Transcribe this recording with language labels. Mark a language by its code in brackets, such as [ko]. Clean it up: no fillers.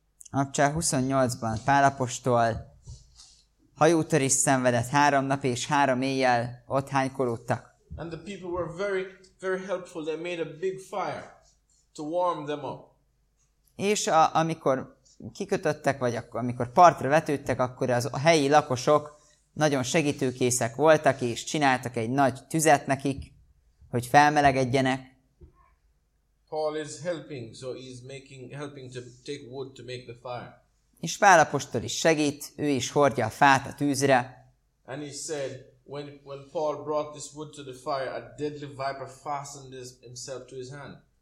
[hu] Apcsá 28-ban Pál apostol hajótörés szenvedett 3 nap és 3 éjjel, ott hánykolódtak. [en] And the people were very, very helpful. They made a big fire to warm them up. [hu] És amikor kikötöttek, vagy amikor partra vetődtek, akkor az a helyi lakosok nagyon segítőkészek voltak, és csináltak egy nagy tüzet nekik, hogy felmelegedjenek. [en] Paul is helping, so he's making, helping to take wood to make the fire. [hu] És Pál apostol is segít, ő is hordja a fát a tűzre. [en] And he said, when Paul brought this wood to the fire, a deadly viper fastened himself to his hand.